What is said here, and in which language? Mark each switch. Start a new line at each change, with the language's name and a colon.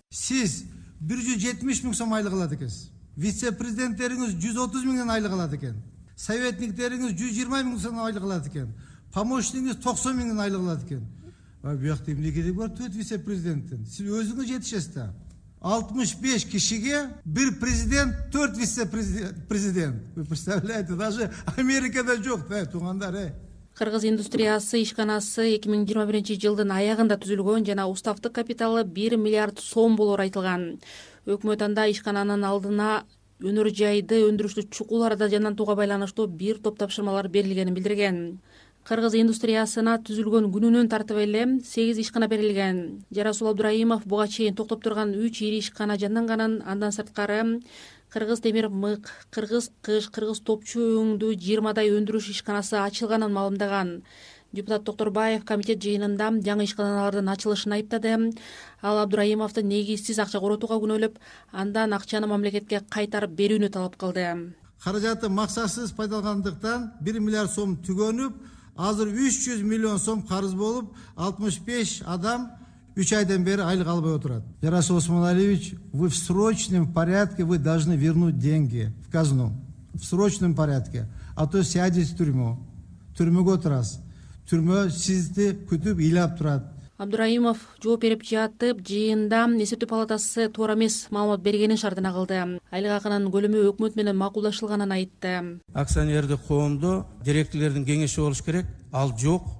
Kyrgyz: Сиз 170 миң сом айлык алат экенсиз. Вице президенттериңиз 130 миңден айлык алат экен. Советниктериңиз 120 миң сом айлык алат экен. Помощниктериңиз 90 миңден айлык алат экен. Бияқта эмне керек бар 4 вице президенттин? Сиз өзүңүз жетишесиз да. 65 кишиге бир президент 4 вице президент.
Russian: Вы представляете, даже
Kyrgyz: Америкада жок, туугандар. Кыргыз индустриясы ишканасы 2021 жылдын аягында түзүлгөн жана уставтык капиталы 1 миллиард сом болор айтылган. Өкмөт анда ишкананын алдына өнөр жайды өндүрүштү чукул арада жандантууга байланыштуу бир топ тапшырмалар берилгенин билдирген. Кыргыз индустриясына түзүлгөн күнүнөн тартып эле 8 ишкана берилген. Жарасул Абдыраимов буга чейин токтоп турган 3 ири ишкана жанданганын, андан сырткары Кыргыз темир мык, Кыргыз кыш, Кыргыз топчу өңдүү 20 өндүрүш ишканасы ачылганын маалымдаган. Депутат Токторбаев комитет жыйынында жаңы ишканалардын ачылышын айыптады. Ал Абдыраимовду негизсиз акча коротууга күнөлөп, андан акчаны мамлекетке кайтарып берүүнү талап кылды. Каражатты максатсыз пайдаланганыктан 1 миллиард сом түгөнүп, азыр 300 миллион сом карыз болуп, 65 адам 3 айдан бери айлык албай отурат.
Russian: Жарасул Осмоналиевич, вы в срочном порядке вы должны вернуть деньги в казну. В срочном порядке. А то сядете в тюрьму.
Kyrgyz: Түрмөгө отурасыз. Түрмө сизди күтүп ыйлап турат. Абдыраимов жооп берип жатып, жыйында эсептөө палатасы туура эмес маалымат бергенин шартына кылды. Айлык акынын көлөмү өкмөт менен макулдашылганын айтты. Акционердик коомдо директорлордун кеңеши болуш керек, ал жок.